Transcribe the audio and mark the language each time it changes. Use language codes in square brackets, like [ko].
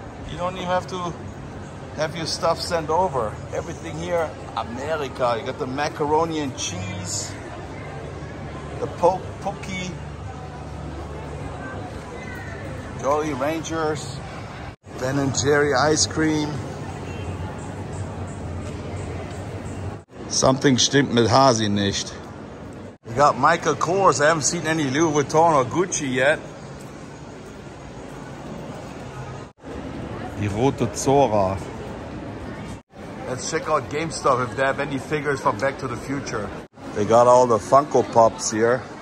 [en] You don't even have to have your stuff sent over. Everything here, America. You got the macaroni and cheese, the Pokey, Jolly Ranchers, Ben and Jerry ice cream. Something [de] stimmt mit Hasi nicht. [en] We got Michael Kors. I haven't seen any Louis Vuitton or Gucci yet. Die Rote Zora. Let's check out GameStop if they have any figures from Back to the Future. They got all the Funko Pops here.